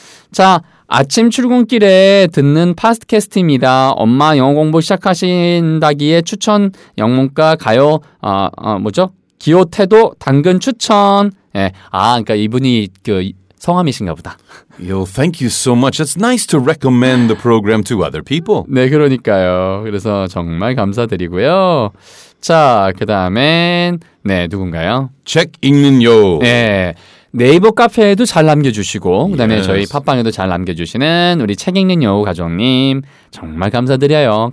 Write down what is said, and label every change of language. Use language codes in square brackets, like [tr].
[ko] 자, 아침 출근길에 듣는 팟캐스트입니다. 엄마 영어 공부 시작하신다기에 추천 영문과 가요 뭐죠? 기호태도 당근 추천. 예. 아, 그러니까 이분이 그 성함이신가 보다. [en] Yo, thank you so much. It's nice to recommend the program to other people. [ko] 네, 그러니까요. 그래서 정말 감사드리고요. 자, 그다음에 네, 누군가요? 책 읽는 요. 네. 네이버 카페에도 잘 남겨주시고 그다음에 yes. 저희 팟빵에도 잘 남겨주시는 우리 책 읽는 여우 가족님 정말 감사드려요.